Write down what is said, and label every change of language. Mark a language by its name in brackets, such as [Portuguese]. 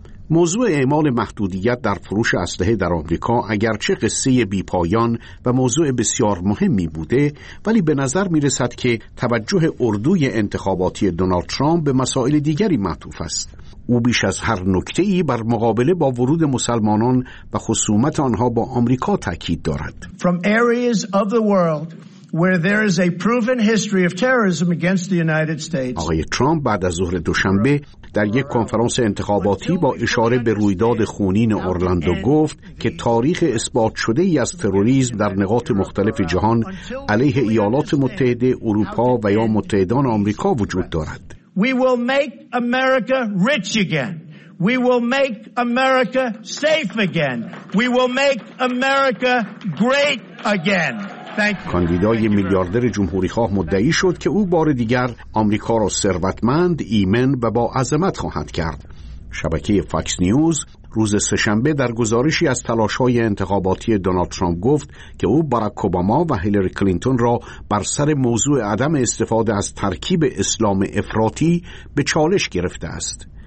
[Persian] موضوع اعمال محدودیت در فروش اسلحه در آمریکا اگرچه قصه بی پایان و موضوع بسیار مهمی بوده، ولی به نظر می رسد که توجه اردوی انتخاباتی دونالد ترامپ به مسائل دیگری معطوف است. او بیش از هر نکته‌ای بر مقابله با ورود مسلمانان و خصومت آنها با آمریکا تاکید دارد. [English] From areas of the world where there is a proven history of terrorism against the United States. [Persian] آقای ترامپ بعد از ظهر دوشنبه در یک کنفرانس انتخاباتی با اشاره به رویداد خونین اورلاندو گفت که تاریخ اثبات شده ای از تروریسم در نقاط مختلف جهان علیه ایالات متحده، اروپا و یا متحدان آمریکا وجود دارد. [English] We will make America rich again. We will make America safe again. We will make America great again. [Persian] کاندیدای میلیاردر جمهوری‌خواه مدعی شد که او بار دیگر آمریکا را ثروتمند، ایمن و با عظمت خواهد کرد. شبکه فاکس نیوز روز سه‌شنبه در گزارشی از تلاش‌های انتخاباتی دونالد ترامپ گفت که او باراک اوباما و هیلری کلینتون را بر سر موضوع عدم استفاده از ترکیب اسلام افراطی به چالش گرفته است.